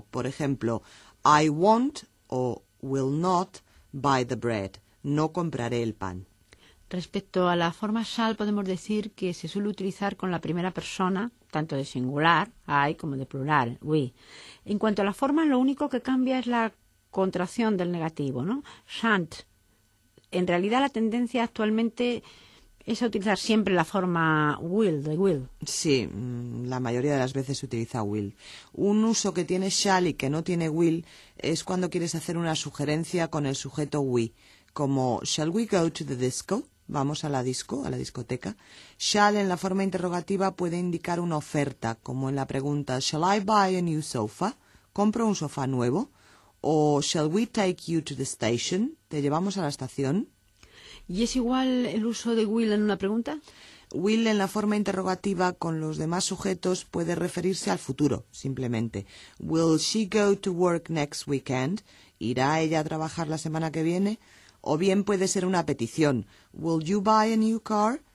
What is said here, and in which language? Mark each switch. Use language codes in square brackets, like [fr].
[es] Por ejemplo, [en] I won't o will not buy the bread. [es] No compraré el pan. Respecto a la forma shall, podemos decir que se suele utilizar con la primera persona, tanto de singular, I, como de plural, we. En cuanto a la forma, lo único que cambia es la contracción del negativo, ¿no? Shan't. En realidad, la tendencia actualmente es a utilizar siempre la forma will, de will. Sí, la mayoría de las veces se utiliza will. Un uso que tiene shall y que no tiene will es cuando quieres hacer una sugerencia con el sujeto we. Como, [en] shall we go to the disco? [es] Vamos a la disco, a la discoteca. Shall en la forma interrogativa puede indicar una oferta, como en la pregunta, [en] shall I buy a new sofa? [es] ¿Compro un sofá nuevo? [en] O, shall we take you to the station? [es] ¿Te llevamos a la estación? ¿Y es igual el uso de will en una pregunta? Will en la forma interrogativa con los demás sujetos puede referirse al futuro, simplemente. [en] Will she go to work next weekend? [es] ¿Irá ella a trabajar la semana que viene? O bien puede ser una petición. [en] Will you buy a new car?